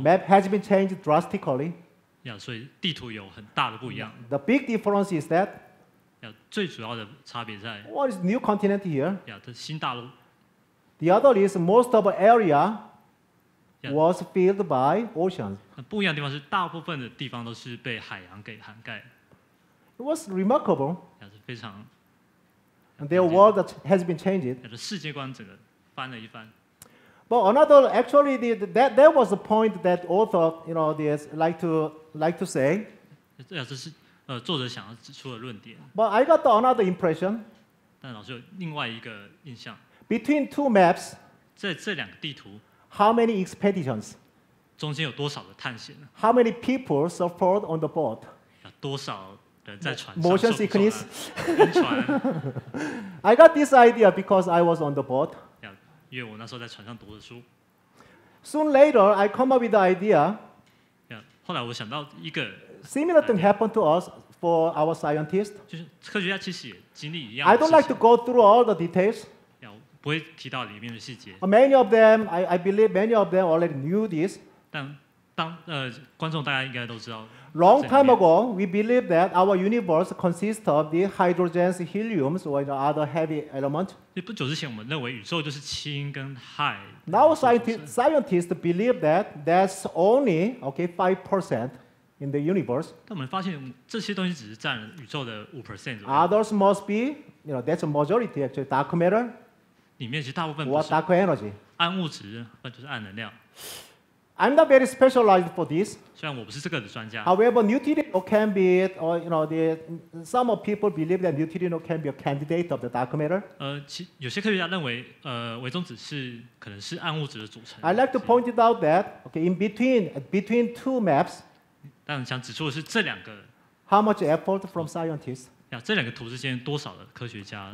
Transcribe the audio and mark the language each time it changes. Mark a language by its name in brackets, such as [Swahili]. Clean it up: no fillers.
[English] Map has been changed drastically. [Chinese] Yeah, 所以地图有很大的不一样。 [English] The big difference is that. [Chinese] 最主要的差别在 [English] What is new continent here? [Chinese] 这是新大陆。 [English] The other is most of area was filled by oceans. [Chinese] 不一样的地方是大部分的地方都是被海洋给涵盖。 [English] It was remarkable. [Chinese] 是非常。 [English] And their world has been changed. [Chinese] 世界观整个翻了一番。 [English] But another, actually, that was the point that author, you know, like to say. [Chinese] 这是。作者想要指出的论点。 [English] But I got another impression. [Chinese] 但老师有另外一个印象。 [English] Between two maps, [Chinese] 在这两个地图 [English] ，How many expeditions? [Chinese] 中间有多少的探险 [English] ？How many people suffered on the boat? [Chinese] 多少人在船上 [English] ？Motion sickness. [Chinese] 晕船。 [English] I got this idea because I was on the boat. [Chinese] 因为我那时候在船上读的书。 [English] Soon later, I come up with the idea. [Chinese] 后来我想到一个。 [English] Similar thing happened to us for our scientists. [Chinese] 就是科学家其实也经历一样的事 [English] 情。I don't like to go through all the details. [Chinese] 不会提到里面的细节。 [English] Many of them, I believe many of them already knew this. [Chinese] 但当观众大家应该都知道。 [English] Long time ago, we believed that our universe consists of the hydrogen, helium, or the other heavy element. [Chinese] 不久之前，我们认为宇宙就是氢跟氦。 [English] Now scientists believe that that's only okay 5%. in the universe. [Chinese] 但我们发现这些东西只是占宇宙的 5% 左右。 [English] Others must be, you know, that's a majority actually. Dark matter. [Chinese] 里面其实大部分不是。 [English] What dark energy? [Chinese] 暗物质，那就是暗能量。 [English] I'm not very specialized for this. [Chinese] 虽然我不是这个的专家。 [English] However, neutrino can be, or you know, the some of people believe that neutrino can be a candidate of the dark matter. [Chinese] 有些科学家认为，微中子是可能是暗物质的组成。 [English] I like to point it out that, okay, in between two maps. [Chinese] 但想指出的是这两个。 [English] How much effort from scientists? [Chinese] 这两个图之间多少的科学家